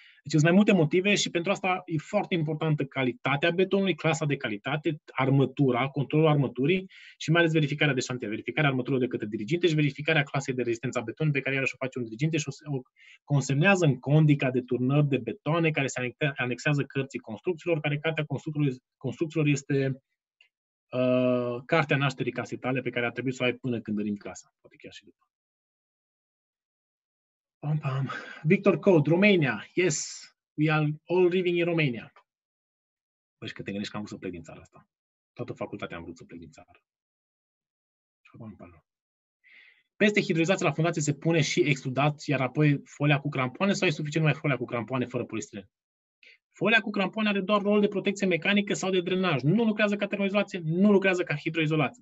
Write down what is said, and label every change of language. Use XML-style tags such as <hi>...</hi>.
<ro>Deci sunt mai multe motive și pentru asta e foarte importantă calitatea betonului, clasa de calitate, armătura, controlul armăturii și mai ales verificarea de șantier, verificarea armăturii de către diriginte și verificarea clasei de rezistență a betonului pe care iarăși o face un diriginte și o consemnează în condica de turnări de betoane care se anexează cărții construcțiilor, care cartea construcțiilor este cartea nașterii casei tale pe care a trebuit să o ai până când dărim clasa, poate chiar și după. Pam, pam. Victor Code, Romania.</ro> <en>Yes, we are all living in Romania.</en> <ro>Băi, și că te gândești că am vrut să plec din țara asta. Toată facultatea am vrut să plec din țara. Pam, pam. Peste hidroizație la fundație se pune și extrudat, iar apoi folia cu crampoane sau e suficient numai folia cu crampoane fără polistiren? Folia cu crampoane are doar rol de protecție mecanică sau de drenaj. Nu lucrează ca termoizolație, nu lucrează ca hidroizolație.</ro>